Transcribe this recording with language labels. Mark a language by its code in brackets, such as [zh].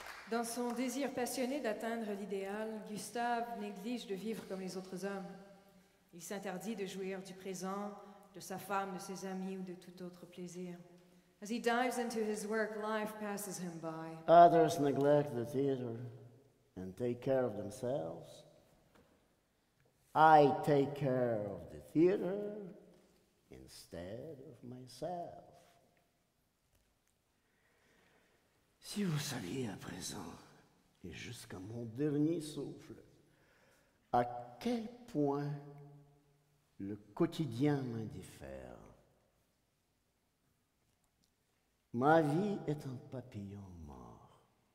[fr] Dans son désir passionné d'atteindre l'idéal, Gustave néglige de vivre comme les autres hommes. Il s'interdit de jouir du présent, de sa femme, de ses amis ou de tout autre plaisir. [en] As he dives into his work, life passes him by. Others neglect the theater and take care of themselves. I take care of the theater instead of myself. [fr] Si vous saviez à présent, et jusqu'à mon dernier souffle, à quel point le quotidien m'indiffère. Ma vie est un papillon mort.